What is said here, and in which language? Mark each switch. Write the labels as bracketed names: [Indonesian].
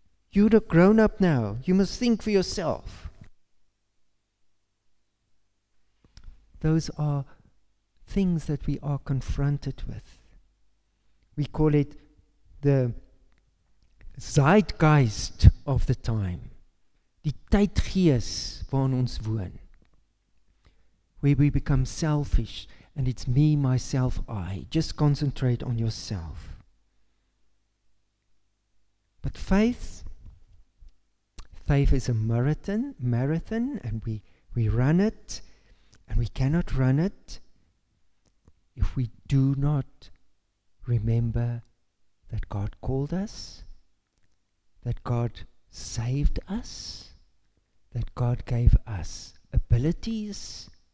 [English] You're a grown up now. You must think for yourself. Those are things that we are confronted with. We call it the Zeitgeist of the time. [Afrikaans] Die tydgees waarin ons woon. [English] Where we become selfish and it's me, myself, I. Just concentrate on yourself. But faith is a marathon, and we run it, and we cannot run it if we do not remember that God called us, that God saved us, that God gave us abilities,